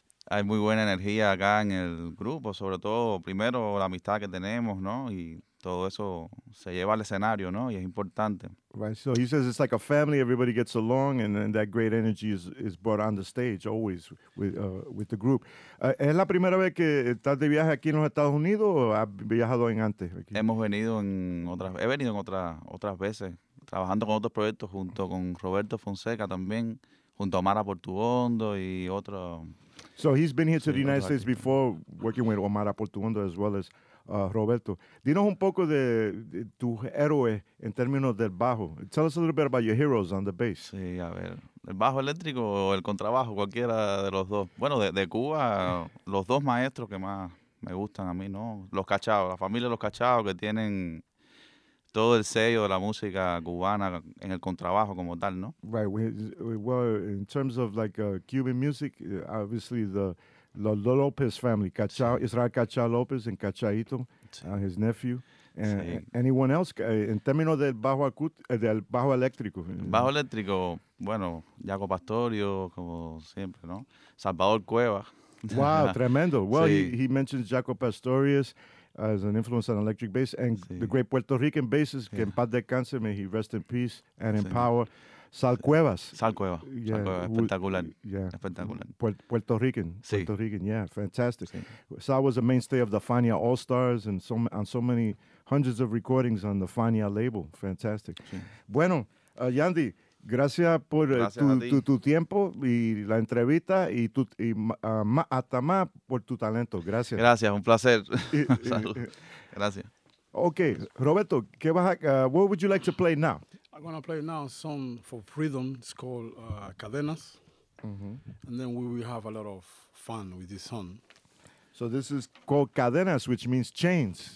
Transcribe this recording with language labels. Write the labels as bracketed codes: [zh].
[es] Hay muy buena energía acá en el grupo, sobre todo, primero, la amistad que tenemos, ¿no? Y todo eso se lleva al escenario, ¿no? Y es importante. [en] Right, so he says it's like a family, everybody gets along, and that great energy is brought on the stage, always, with the group. [es] ¿Es la primera vez que estás de viaje aquí en los Estados Unidos o has viajado en antes? Aquí? He venido en otras veces, trabajando con otros proyectos, junto con Roberto Fonseca también, junto a Mara Portuondo y otro. [en] So he's been here to the United States before, working with Omar Portuondo as well as Roberto. [es] Dinos un poco de tu héroe en términos del bajo. [en] Tell us a little bit about your heroes on the bass. [es] Sí, a ver. El bajo eléctrico o el contrabajo, cualquiera de los dos. Bueno, de Cuba, los dos maestros que más me gustan a mí, ¿no? Los Cachao, la familia de los Cachao, que tienen todo el sello de la música cubana en el contrabajo como tal, ¿no? [en] Right. Well, in terms of like Cuban music, obviously the López family, Cachao, Israel Cachao López and Cachaito, his nephew. And [es] sí. [en] Anyone else? [es] En términos del bajo eléctrico. Bajo eléctrico, bueno, Jaco Pastorio, como siempre, ¿no? Salvador Cuevas. [en] Wow, tremendo. Well, sí. He mentions Jaco Pastorius as an influence on electric bass, and sí, the great Puerto Rican bassist, yeah, [es] que en paz descanse, [en] may he rest in peace and in, sí, power, Sal Cuevas. [es] Sal Cuevas, yeah. Sal Cuevas, espectacular. [en] Yeah. [es] Espectacular. [en] Puerto Rican, [es] sí. [en] Puerto Rican, yeah, fantastic. [es] Sí. [en] Sal was a mainstay of the Fania All-Stars and so many hundreds of recordings on the Fania label, fantastic. [es] Sí. Bueno, Yandy, gracias por tu tiempo y la entrevista y hasta más por tu talento. Gracias. Gracias, un placer. Gracias. [en] Okay, Roberto, what would you like to play now? I'm going to play now a song for freedom. It's called Cadenas. Mm-hmm. And then we will have a lot of fun with this song. So this is called Cadenas, which means chains.